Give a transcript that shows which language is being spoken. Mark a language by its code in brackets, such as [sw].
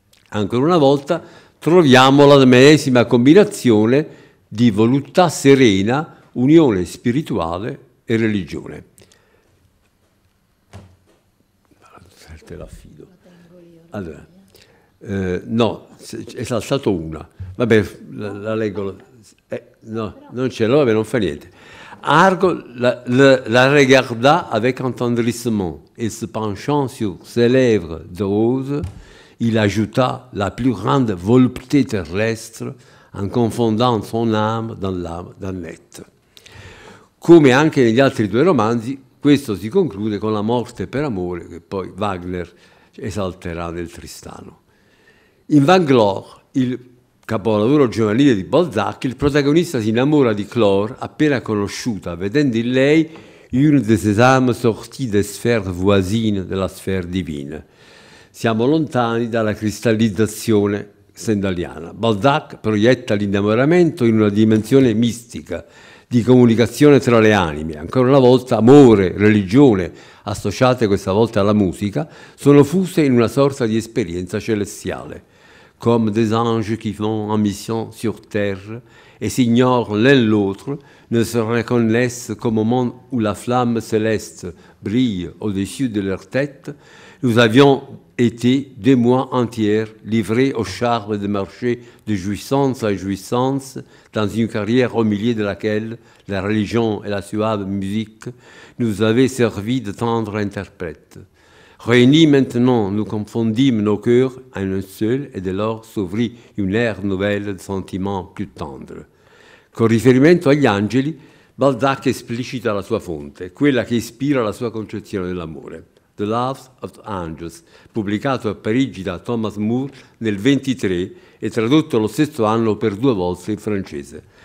[it] Ancora una volta troviamo la medesima combinazione di voluttà serena, unione spirituale e religione. Te la fido. Allora, no, è saltato una. Vabbè, la leggo. No, non ce l'ho, vabbè, non fa niente. [fr] Argo la regarda avec entendrissement et se penchant sur ses lèvres de rose, il ajouta la plus grande volupté terrestre en confondant son âme dans l'âme d'Annette. [it] Come anche negli altri due romanzi, questo si conclude con la morte per amore che poi Wagner esalterà nel Tristano. In Van Glore, il capolavoro giovanile di Balzac, il protagonista si innamora di Chlore appena conosciuta, vedendo in lei [fr] une de ses âmes sorties des sphères voisines de la sphère divine. [it] Siamo lontani dalla cristallizzazione sendaliana. Balzac proietta l'innamoramento in una dimensione mistica, di comunicazione tra le anime. Ancora una volta amore, religione, associate questa volta alla musica, sono fuse in una sorta di esperienza celestiale. [fr] Comme des anges qui font en mission sur terre et s'ignorent l'un l'autre, ne se reconnaissent qu'au moment où la flamme céleste brille au-dessus de leur tête, nous avions été des mois entiers livrés au charme de marcher de jouissance en jouissance dans une carrière au milieu de laquelle la religion et la suave musique nous avaient servi de tendres interprètes. Réunis maintenant, nous confondîmes nos cœurs en un seul et dès lors s'ouvrit une ère nouvelle de sentiments plus tendres. [it] Con riferimento agli angeli, Balzac esplicita la sua fonte, quella che ispira la sua concezione dell'amore. The Love of the Angels, pubblicato a Parigi da Thomas Moore nel 23 e tradotto lo stesso anno per due volte in francese.